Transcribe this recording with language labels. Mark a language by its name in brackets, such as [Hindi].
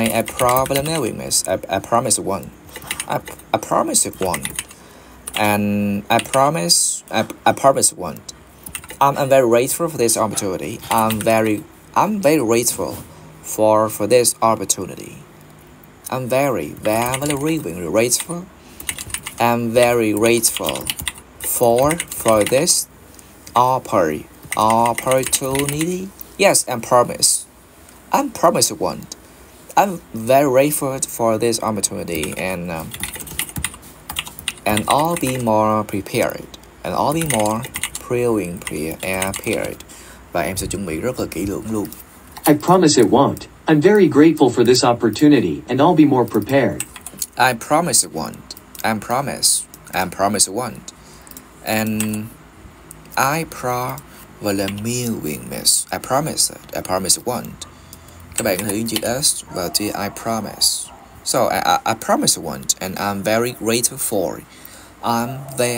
[English] grateful for this opportunity. Yes, I promise it won't. I'm very grateful for this opportunity, and I'll be more prepared. And I'll be more prepared. [Vietnamese] Và em sẽ chuẩn bị rất là kỹ lưỡng luôn. [English] I promise it won't. I'm very grateful for this opportunity, and I'll be more prepared. I promise it won't. I promise it won't. And I promise it won't. [Vietnamese] Các bạn hãy use S và T, [English] I promise. So, I promise it won't, and I'm very grateful for it.